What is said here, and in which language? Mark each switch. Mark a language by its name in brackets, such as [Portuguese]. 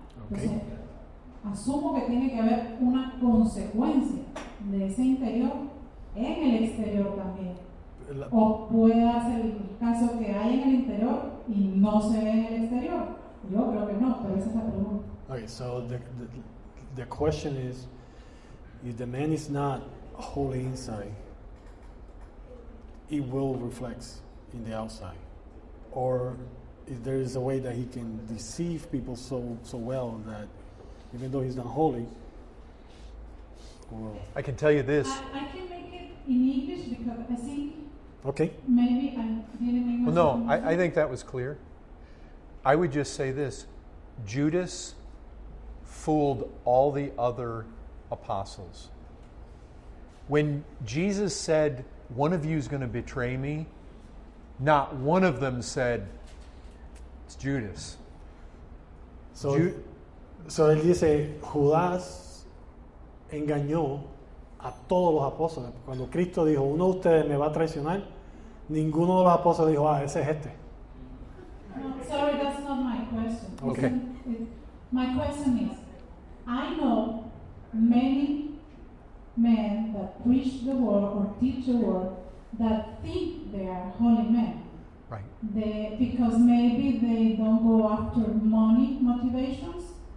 [English] Okay. [Spanish] Entonces, asumo que tiene que haber una consecuencia de ese interior en el exterior también. O puede ser el caso que hay en el interior y no se ve en el exterior. Yo creo que no, pero esa es la pregunta. [English] Okay, so the question is, if the man is not holy inside, it will reflect in the outside. Or if there is a way that he can deceive people so well that even though he's not holy, well, I can tell you this. I can make it in English because I think okay. Maybe I didn't English. Well, no, I think that was clear. I would just say this. Judas fooled all the other apostles. When Jesus said, one of you is going to betray me, not one of them said, it's Judas. [Spanish] So él dice, Judas engañó a todos los apóstoles. Cuando Cristo dijo, uno de ustedes me va a traicionar, ninguno de los apóstoles dijo, ah, ese es este. [English] Sorry, that's not my question. Okay. My question is, I know many men that preach the word or teach the word that think they are holy men. Right. Because maybe they don't go after money motivations.